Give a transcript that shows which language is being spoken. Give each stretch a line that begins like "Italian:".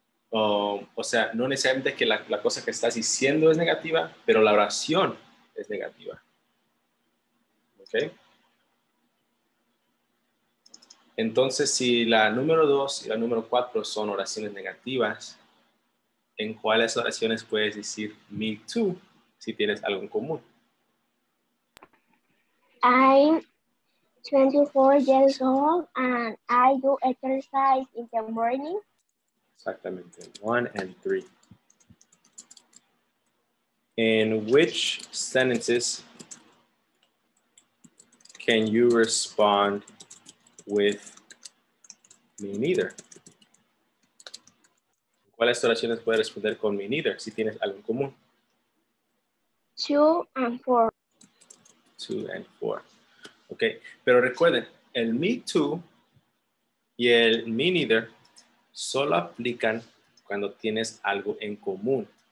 Spanish: O sea, no necesariamente que la cosa que estás diciendo es negativa, pero la oración es negativa. ¿Ok? Entonces, si la número 2 y la número 4 son oraciones negativas, ¿en cuáles oraciones puedes decir me too si tienes algo en común?
English: I'm 24 years old and I do exercise in the morning.
Spanish: Exactamente.
English: 1 and 3. In which sentences can you respond with me neither?
Spanish: ¿Cuáles oraciones puedes responder con me neither si tienes algo en común?
English: 2 and 4. 2 and 4.
Spanish: Ok, pero recuerden, el me too y el me neither solo aplican cuando tienes algo en común.